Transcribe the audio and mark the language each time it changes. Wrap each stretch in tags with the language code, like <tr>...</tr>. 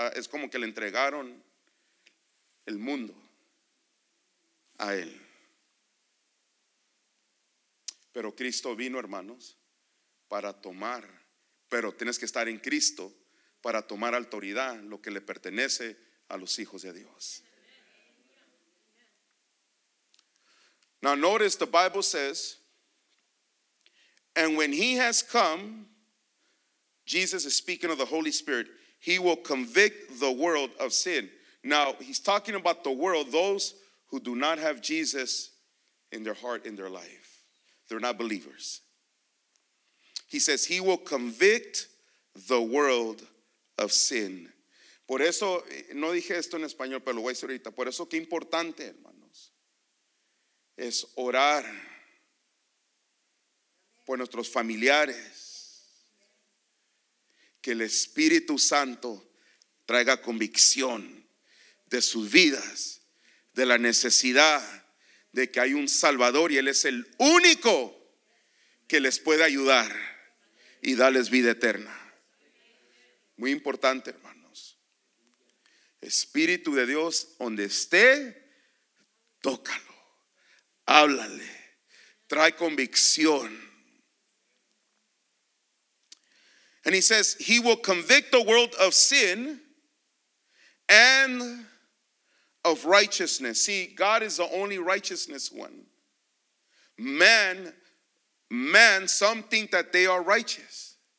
<es>Es como que le entregaron el mundo a él. Pero Cristo vino, hermanos, para tomar. Pero tienes que estar en Cristo para tomar autoridad, lo que le pertenece a los hijos de Dios.</es> <en>Now notice the Bible says, and when he has come, Jesus is speaking of the Holy Spirit, he will convict the world of sin. Now, he's talking about the world, those who do not have Jesus in their heart, in their life. They're not believers. He says he will convict the world of sin.</en> <es>Por eso, no dije esto en español, pero lo voy a decir ahorita. Por eso, qué importante, hermanos, es orar por nuestros familiares, que el Espíritu Santo traiga convicción de sus vidas, de la necesidad de que hay un Salvador y Él es el único que les puede ayudar y darles vida eterna. Muy importante, hermanos. Espíritu de Dios, donde esté, tócalo, háblale, trae convicción.</es> <en>And he says, he will convict the world of sin and of righteousness. See, God is the only righteousness one. Man, some think that they are righteous.</en>